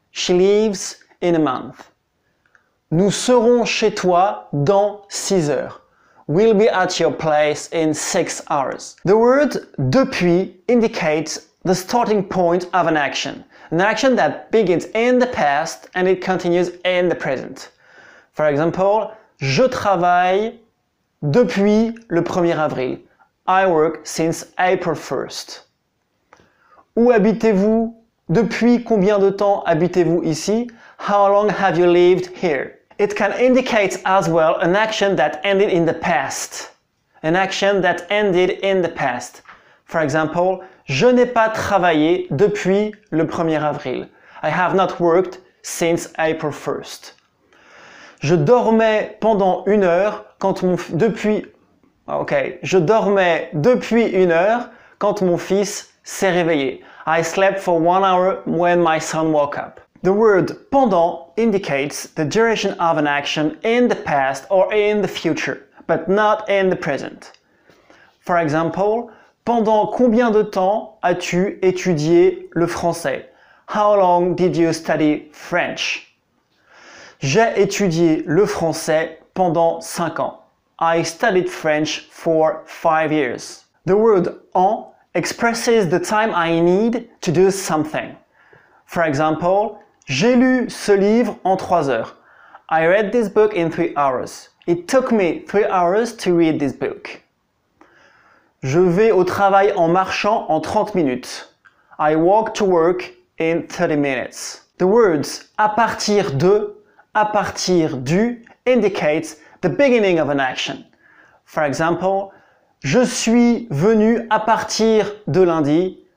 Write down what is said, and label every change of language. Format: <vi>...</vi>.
<en>She leaves in a month.</en> <fr>Nous serons chez toi dans 6 heures.</fr> <en>We'll be at your place in 6 hours. The word depuis indicates the starting point of an action. An action that begins in the past and it continues in the present. For example,</en> <fr>je travaille depuis le 1er avril.</fr> <en>I work since April 1st.</en> <fr>Où habitez-vous? Depuis combien de temps habitez-vous ici?</fr> <en>How long have you lived here? It can indicate as well an action that ended in the past. An action that ended in the past. For example,</en> <fr>je n'ai pas travaillé depuis le 1er avril.</fr> <en>I have not worked since April 1st.</en> <fr>Je dormais pendant une heure quand mon fils s'est réveillé.</fr> <en>I slept for 1 hour when my son woke up. The word pendant indicates the duration of an action in the past or in the future, but not in the present. For example,</en> <fr>pendant combien de temps as-tu étudié le français?</fr> <en>How long did you study French?</en> <fr>J'ai étudié le français pendant 5 ans.</fr> <en>I studied French for 5 years. The word en expresses the time I need to do something. For example,</en> <fr>j'ai lu ce livre en 3 heures.</fr> <en>I read this book in 3 hours. It took me 3 hours to read this book.</en> <fr>Je vais au travail en marchant en 30 minutes.</fr> <en>I walk to work in 30 minutes. The words à partir de, à partir du indicates the beginning of an action. For example,</en> <fr>je suis venu à partir de lundi.</fr>